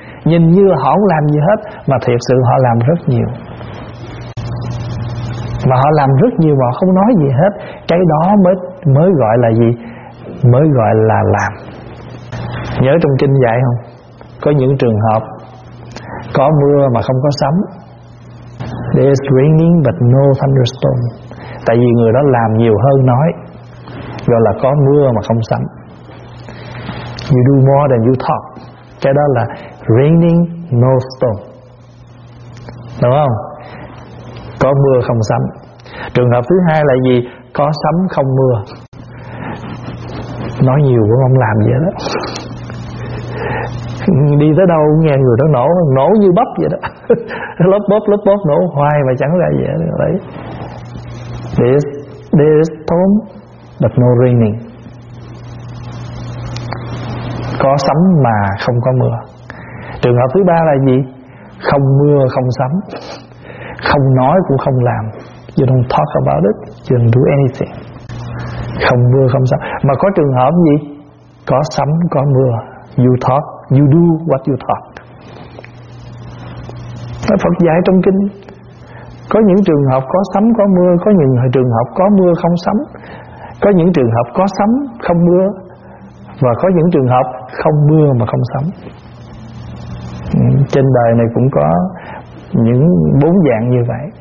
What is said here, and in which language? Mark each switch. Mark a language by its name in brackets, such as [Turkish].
[Vietnamese] Nhìn như là họ không làm gì hết, mà thiệt sự họ làm rất nhiều. Mà họ làm rất nhiều mà không nói gì hết. Cái đó mới gọi là gì? Mới gọi là làm. Nhớ trong kinh dạy không? Có những trường hợp có mưa mà không có sấm. [English] There is raining but no thunderstorm. [Vietnamese] Tại vì người đó làm nhiều hơn nói. Gọi là có mưa mà không sấm. [English] You do more than you talk. [Vietnamese] Cái đó là [English] raining no storm. [Vietnamese] Đúng không? Có mưa không sấm. Trường hợp thứ hai là gì? Có sấm không mưa. Nói nhiều cũng không làm gì đó. Đi tới đâu nghe người đó nổ, nổ như bắp vậy đó. lớp bóp nổ hoài mà chẳng ra gì hết. Đấy. [English] There's storm but no raining. [Vietnamese] Có sấm mà không có mưa. Trường hợp thứ ba là gì? Không mưa không sấm. Không nói cũng không làm. [English] You don't talk about it, you don't do anything. [Vietnamese] Không mưa không sấm. Mà có trường hợp gì? Có sấm có mưa. [English] You talk, you do what you talk. [Vietnamese] Phật dạy trong kinh có những trường hợp có sấm có mưa, có những trường hợp có mưa không sấm, có những trường hợp có sấm không mưa, và có những trường hợp không mưa mà không sấm. Trên đời này cũng có những bốn dạng như vậy.